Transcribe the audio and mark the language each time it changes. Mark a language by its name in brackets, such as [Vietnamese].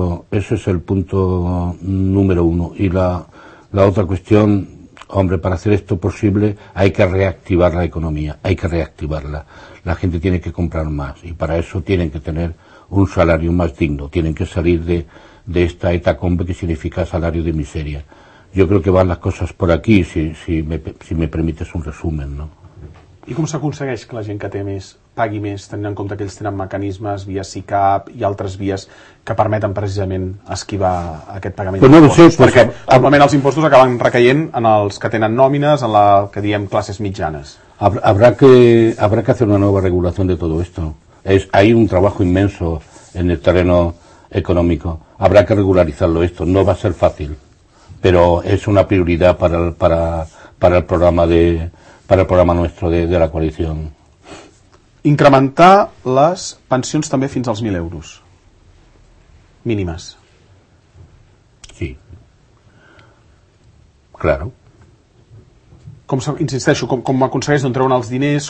[Spanish] Ese es el punto número uno. Y la otra cuestión, hombre, para hacer esto posible hay que reactivar la economía, hay que reactivarla. La gente tiene que comprar más y para eso tienen que tener un salario más digno, tienen que salir de esta hecatombe que significa salario de miseria. Yo creo que van las cosas por aquí, si me permites un resumen, ¿no? [Catalan] I com s'aconsegueix que la gent que té més pagui més, tenint en compte que ells tenen mecanismes via SICAP i altres vies que permeten precisament esquivar aquest pagament d'impostos? no ho sé, perquè normalment els impostos acaben recaient en els que tenen nòmines, en la que diem classes mitjanes. [Spanish] Habrá que hacer una nueva regulación de todo esto. Hay un trabajo inmenso en el terreno económico. Habrá que regularizarlo esto. No va a ser fácil, pero es una prioridad para el programa nuestro de la coalición. [Catalan] Incrementar les pensions també fins als 1.000 euros mínimes. Sí. [Spanish] Claro. [Catalan] Com aconsegueix d'on treuen els diners?